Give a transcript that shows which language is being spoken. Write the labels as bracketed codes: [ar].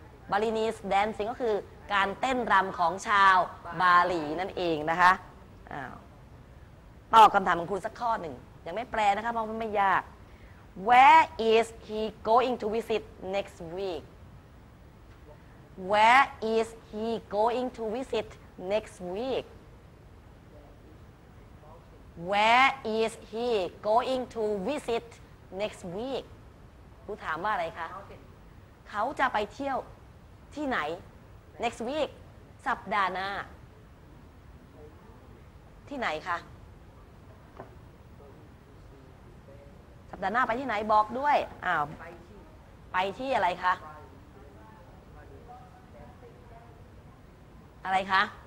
[th] Balinese dancing ก็คือการเต้นรำของชาวบาหลีนั่นเองนะคะตอบคำถามของคุณสักข้อหนึ่งยังไม่แปลนะคะเพราะมันไม่ยาก Where is he going to visit next week? [en] Where is he going to visit next week? Where is he going to visit next week? [th] คุณถามว่าอะไรคะเขาจะไปเที่ยวที่ไหน next week สัปดาห์หน้าที่ไหนคะสัปดาห์หน้าไปที่ไหนบอกด้วยไปที่อะไรคะอะไรคะ